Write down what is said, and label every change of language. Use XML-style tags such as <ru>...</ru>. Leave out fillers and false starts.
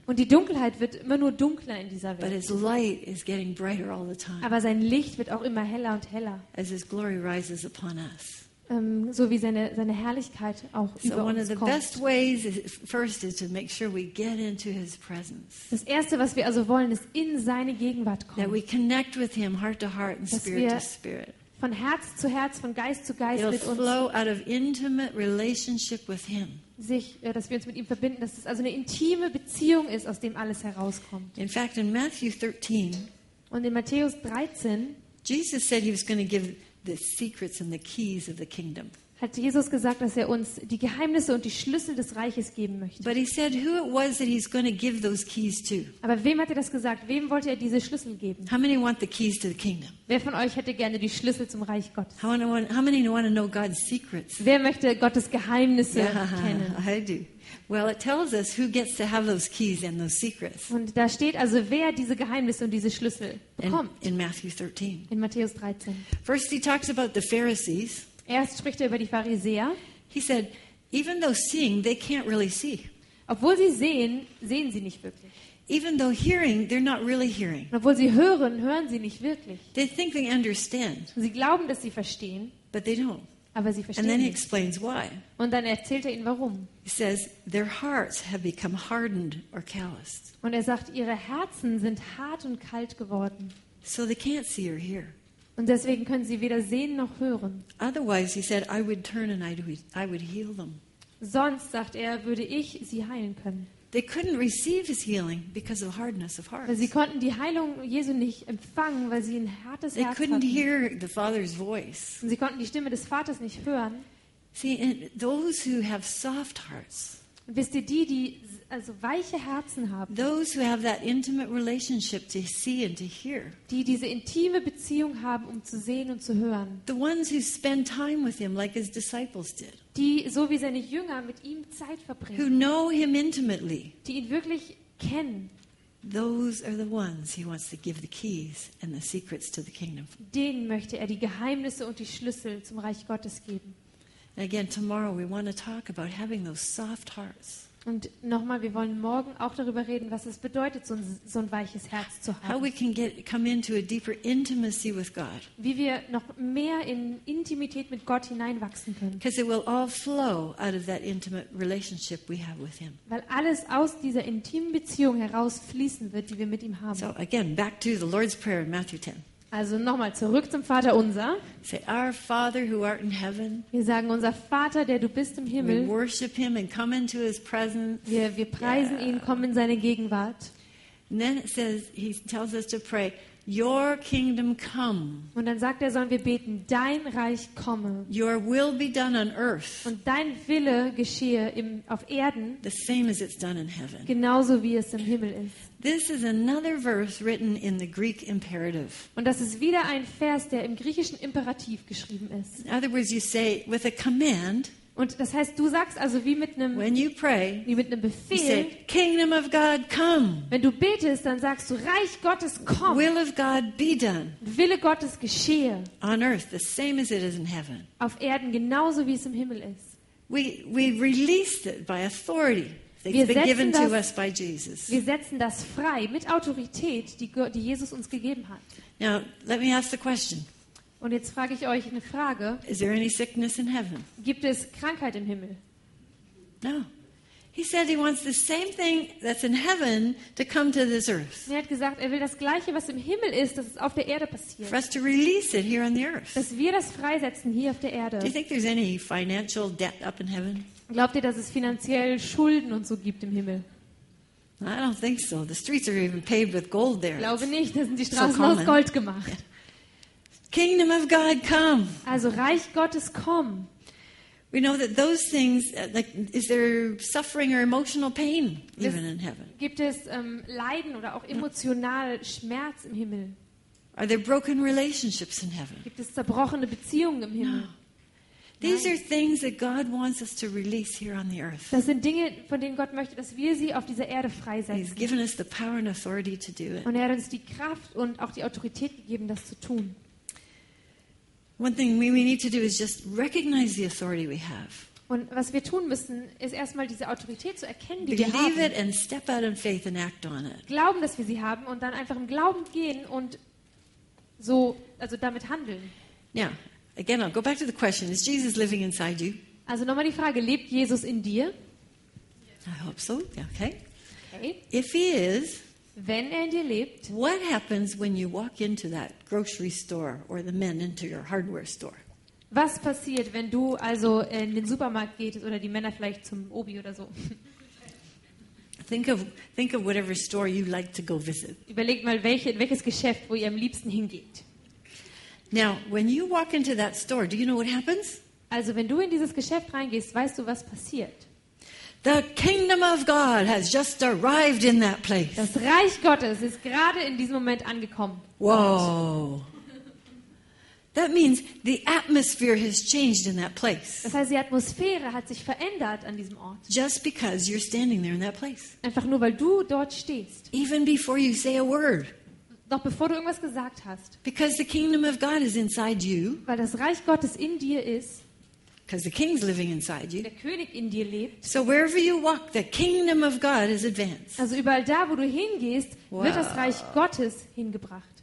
<de>Und die Dunkelheit wird immer nur dunkler in dieser Welt.</de> <en>But his light is getting brighter all the time.</en> <de>Aber sein Licht wird auch immer heller und heller.</de> <en>As his glory rises upon us.</en> <de>So wie seine Herrlichkeit auch so über uns kommt.</de> <en>Best ways is, first is to make sure we get into his presence.</en> <de>Das erste, was wir also wollen, ist in seine Gegenwart kommen.</de> <en>That we connect with him heart to heart and spirit to spirit.</en> <de>Von Herz zu Herz, von Geist zu Geist</de> <en>it'll</en> <de>mit uns.</de> <en>Flow out of intimate relationship with him.</en> <de>Sich, ja, dass wir uns mit ihm verbinden, dass es also eine intime Beziehung ist, aus dem alles herauskommt.</de> <en>In fact, in Matthew 13.</en> <de>Und in Matthäus 13.</de> <en>Jesus said he was going to give the secrets and the keys of the kingdom.</en> <de>Hat Jesus gesagt, dass er uns die Geheimnisse und die Schlüssel des Reiches geben möchte?</de> <en>But he said who it was that he's going to give those keys to.</en> <de>Aber wem hat er das gesagt? Wem wollte er diese Schlüssel geben?</de> <en>How many want the keys to the kingdom?</en> <de>Wer von euch hätte gerne die Schlüssel zum Reich Gottes?</de> <en>How many want to know God's secrets?</en> <de>Wer möchte Gottes Geheimnisse kennen?</de> <en>I do. Well, it tells us who gets to have those keys and those secrets.</en> <de>Und da steht also, wer diese Geheimnisse und diese Schlüssel bekommt.</de> <en>In Matthew 13.</en> <de>In Matthäus 13.</de> <en>First he talks about the Pharisees.</en> <de>Erst spricht er über die Pharisäer.</de> <en>He said, even though seeing, they can't really see.</en> <de>Obwohl sie sehen, sehen sie nicht wirklich.</de> <en>Even though hearing, they're not really hearing.</en> <de>Obwohl sie hören, hören sie nicht wirklich.</de> <en>They think they understand.</en> <de>Sie glauben, dass sie verstehen.</de> <en>But they don't.</en> <de>Aber sie verstehen</de> <en>and then he explains why.</en> <de>Und dann erzählt er ihnen warum.</de> <en>He says their hearts have become hardened or calloused.</en> <de>Und er sagt, ihre Herzen sind hart und kalt geworden.</de> <en>So they can't see or hear.</en> <de>Und deswegen können sie weder sehen noch hören.</de> <en>Otherwise he said I would turn and I would heal them.</en> <de>Sonst sagt er, würde ich sie heilen können.</de> <en>They couldn't receive his healing because of hardness of heart.</en> <de>Sie konnten die Heilung Jesu nicht empfangen, weil sie ein hartes Herz hatten.</de> <en>They couldn't hear the Father's voice.</en> <de>Und sie konnten die Stimme des Vaters nicht hören.</de> <en>See, those who have soft hearts.</en> <de>Wisst ihr, die also weiche Herzen haben.</de> <en>Those who have that intimate relationship to see and to hear.</en> <de>Die diese intime Beziehung haben, um zu sehen und zu hören.</de> <en>The ones who spend time with him like his disciples did.</en> <de>Die so wie seine Jünger mit ihm Zeit verbringen.</de> <en>Who know him intimately.</en> <de>Die ihn wirklich kennen.</de> <en>Those are the ones he wants to give the keys and the secrets to the kingdom.</en> <de>Denen möchte er die Geheimnisse und die Schlüssel zum Reich Gottes geben.</de> <en>And again tomorrow we want to talk about having those soft hearts.</en> <de>Und nochmal, wir wollen morgen auch darüber reden, was es bedeutet, so ein weiches Herz zu haben.</de> <en>How we can come into a deeper intimacy with God.</en> <de>Wie wir noch mehr in Intimität mit Gott hineinwachsen können.</de> <en>Because it will all flow out of that intimate relationship we have with him.</en> <de>Weil alles aus dieser intimen Beziehung herausfließen wird, die wir mit ihm haben.</de> <en>So again, back to the Lord's Prayer in Matthew 10.</en> <de>Also nochmal zurück zum Vater unser.</de> <en>Say, our Father who art in heaven.</en> <de>Wir sagen unser Vater, der du bist im Himmel.</de> <en>We worship him and come into his presence.</en> <de>Wir preisen ihn, kommen in seine Gegenwart.</de> <en>And then it says, he tells us to pray, your kingdom come.</en> <de>Und dann sagt er, sollen wir beten, dein Reich komme.</de> <en>Your will be done on earth.</en> <de>Und dein Wille geschehe auf Erden.</de> <en>The same as it's done in heaven.</en> <de>Genauso wie es im Himmel ist.</de> <en>This is another verse written in the Greek imperative.</en> <de>Und das ist wieder ein Vers, der im griechischen Imperativ geschrieben ist.</de> <en>In other words, you say with a command.</en> <de>Und das heißt, du sagst also wie mit einem,</de> <en>when you pray,</en> <de>wie mit einem Befehl,</de> <en>you say, Kingdom of God come.</en> <de>Wenn du betest, dann sagst du, Reich Gottes komm.</de> <en>Will of God be done.</en> <de>Wille Gottes geschehe.</de> <en>On earth, the same as it is in heaven.</en> <de>Auf Erden genauso wie es im Himmel ist.</de> <en>We release it by authority.</en> <de>Wir setzen das frei mit Autorität, die Jesus uns gegeben hat.</de> <en>Now, let me ask the question.</en> <de>Und jetzt frage ich euch eine Frage.</de> <en>Is there any sickness in heaven?</en> <de>Gibt es Krankheit im Himmel?</de> <en>No. He said he wants the same thing that's in heaven to come to this earth.</en> <de>Er hat gesagt, er will das Gleiche, was im Himmel ist, dass es auf der Erde passiert.</de> <en>For us to release it here on the earth.</en> <de>Dass wir das freisetzen hier auf der Erde.</de> <en>Do you think there's any financial debt up in heaven?</en> <de>Glaubt ihr, dass es finanziell Schulden und so gibt im Himmel?</de> <en>I don't think so. The streets are even paved with gold there.</en> <de>Ich glaube nicht, da sind die Straßen aus Gold gemacht.</de> <en>Kingdom of God come.</en> <de>Also Reich Gottes komm.</de> <en>We know that those things, like, is there suffering or emotional pain even in heaven?</en> <de>Gibt es Leiden oder auch emotional Schmerz im Himmel?</de> <en>Are there broken relationships in heaven?</en> <de>Gibt es zerbrochene Beziehungen im Himmel?</de> <en>These are things that God wants us to release here on the earth.</en> <de>Das sind Dinge, von denen Gott möchte, dass wir sie auf dieser Erde freisetzen.</de> <en>He's given us the power and authority to do it.</en> <de>Und er hat uns die Kraft und auch die Autorität gegeben, das zu tun.</de> <en>One thing we need to do is just recognize the authority we have.</en> <de>Und was wir tun müssen, ist erstmal diese Autorität zu erkennen, die</de> <en>believe</en> <de>wir haben.</de> <en>Believe it and step out in faith and act on it.</en> <de>Glauben, dass wir sie haben und dann einfach im Glauben gehen und so, also damit handeln. Ja. Yeah.</de> <en>Again, I'll go back to the question: is Jesus living inside you?</en> <de>Also nochmal die Frage: Lebt Jesus in dir?</de> <en>I hope so. Yeah, okay. Okay. If he is,</en> <de>wenn er in dir lebt,</de> <en>what happens when you walk into that grocery store or the men into your hardware store?</en> <de>Was passiert, wenn du also in den Supermarkt gehst oder die Männer vielleicht zum Obi oder so?</de> <en>Think of whatever store you like to go visit.</en> <de>Überlegt mal, welches Geschäft, wo ihr am liebsten hingeht.</de> <en>Now, when you walk into that store, do you know what happens?</en> <de>Also, wenn du in dieses Geschäft reingehst, weißt du, was passiert?</de> <en>The kingdom of God has just arrived in that place.</en> <de>Das Reich Gottes ist gerade in diesem Moment angekommen. Whoa.</de> <en>That means the atmosphere has changed in that place.</en> <de>Das heißt, die Atmosphäre hat sich verändert an diesem Ort.</de> <en>Just because you're standing there in that place.</en> <de>Einfach nur weil du dort stehst.</de> <en>Even before you say a word.</en> <de>Noch bevor du irgendwas gesagt hast.</de> <en>Because the kingdom of God is inside you.</en> <de>Weil das Reich Gottes in dir ist.</de> <en>Because the king's living inside you.</en> <de>Der König in dir lebt.</de> <en>So wherever you walk, the kingdom of God is advanced.</en> <de>Also überall da, wo du hingehst, wow, wird das Reich Gottes hingebracht.</de>